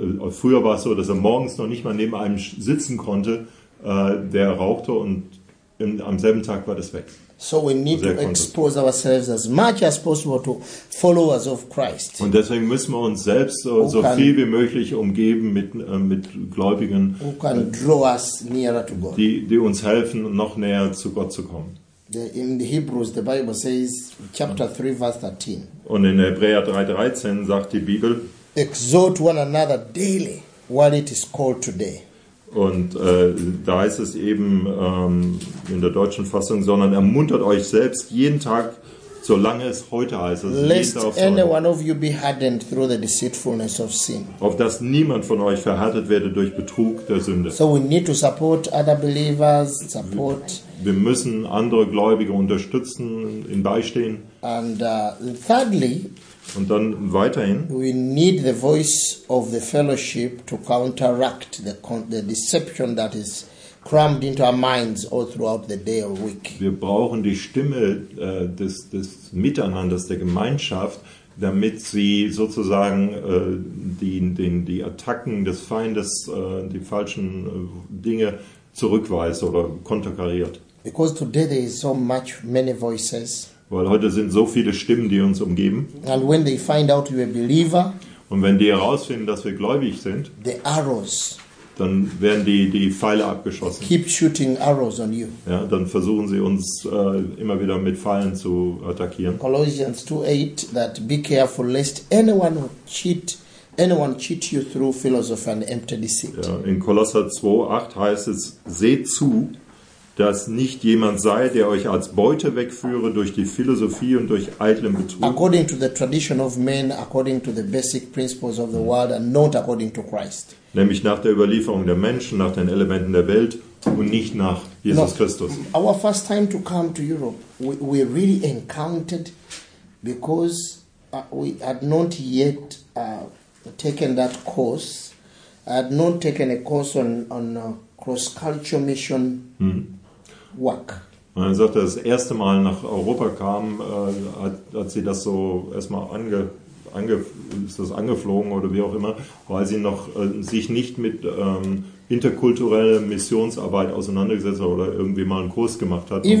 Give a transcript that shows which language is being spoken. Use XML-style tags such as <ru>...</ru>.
<de>Früher war es so, dass er morgens noch nicht mal neben einem sitzen konnte, der rauchte und am selben Tag war das weg.</de> <en>So we need to expose ourselves as much as possible to followers of Christ.</en> <de>Und deswegen müssen wir uns selbst so viel wie möglich umgeben mit Gläubigen,</de> <en>who can draw us nearer to God.</en> <de>Die uns helfen, noch näher zu Gott zu kommen.</de> <en>In the Hebrews, the Bible says, chapter 3, verse 13.</en> <de>Und in Hebräer 3:13 sagt die Bibel,</de> <en>exhort one another daily while it is called today.</en> <de>Und da heißt es eben in der deutschen Fassung, sondern ermuntert euch selbst jeden Tag, solange es heute heißt. Also</de> <en>lest any one of you be hardened through the deceitfulness of sin.</en> <de>Auf dass niemand von euch verhärtet werde durch Betrug der Sünde.</de> <en>So we need to support other believers, support.</en> <de>Wir müssen andere Gläubige unterstützen, ihnen beistehen.</de> <en>And thirdly,</en> <de>und dann weiterhin,</de> <en>we need the voice of the fellowship to counteract the deception that is crammed into our minds all throughout the day or week.</en> <de>Wir brauchen die Stimme des Miteinanders, der Gemeinschaft, damit sie sozusagen die Attacken des Feindes, die falschen Dinge zurückweist oder konterkariert.</de> <en>Because today there is so much many voices.</en> <de>Weil heute sind so viele Stimmen, die uns umgeben.</de> <en>And when they find out you are a believer,</en> <de>und wenn die herausfinden, dass wir gläubig sind,</de> <en>the arrows,</en> <de>dann werden die Pfeile abgeschossen.</de> <en>Keep shooting arrows on you.</en> <de>Ja, dann versuchen sie uns immer wieder mit Pfeilen zu attackieren.</de> <en>Colossians 2:8, that be careful lest anyone cheat you through philosophy and empty deceit.</en> <de>Ja, in Kolosser 2:8 heißt es, seht zu, dass nicht jemand sei, der euch als Beute wegführe durch die Philosophie und durch eitlen Betrug.</de> <en>According to the tradition of men, according to the basic principles of the world and not according to Christ.</en> <de>Nämlich nach der Überlieferung der Menschen, nach den Elementen der Welt und nicht nach Jesus Christus.</de> <en>Our first time to come to Europe, we really encountered because we had not yet taken that course. I had not taken a course on cross-cultural mission. Hmm. Work.</en> <de>Und er sagt, das erste Mal nach Europa kam, hat sie das so erstmal ist das angeflogen oder wie auch immer, weil sie noch sich nicht mit interkultureller Missionsarbeit auseinandergesetzt hat oder irgendwie mal einen Kurs gemacht hat.</de>